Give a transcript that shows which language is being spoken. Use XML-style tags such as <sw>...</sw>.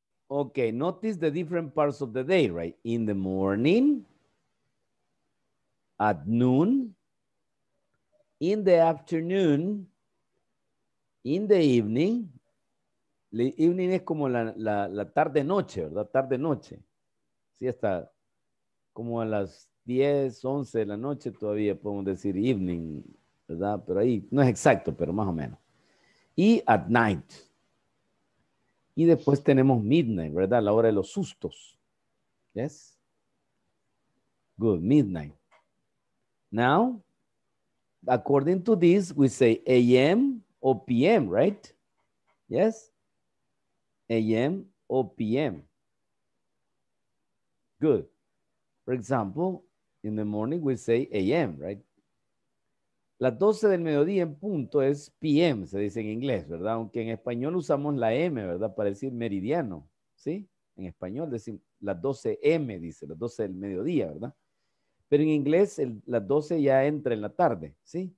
<en>Okay, notice the different parts of the day, right? In the morning, at noon, in the afternoon, in the evening.</en> <es>Evening es como la tarde-noche, ¿verdad? Tarde-noche. Sí, hasta como a las 10, 11 de la noche todavía podemos decir evening, ¿verdad? Pero ahí no es exacto, pero más o menos. Y</es> <en>at night.</en> <es>Y después tenemos midnight, ¿verdad? La hora de los sustos.</es> <en>Yes? Good, midnight. Now, according to this, we say a.m. or p.m., right? Yes? A.m. or p.m. Good. For example, in the morning we say a.m., right?</en> <es>Las 12 del mediodía en punto es p.m., se dice en inglés, ¿verdad? Aunque en español usamos la m, ¿verdad? Para decir meridiano, ¿sí? En español decimos las 12 m, dice, las 12 del mediodía, ¿verdad? Pero en inglés las 12 ya entra en la tarde, ¿sí?</es>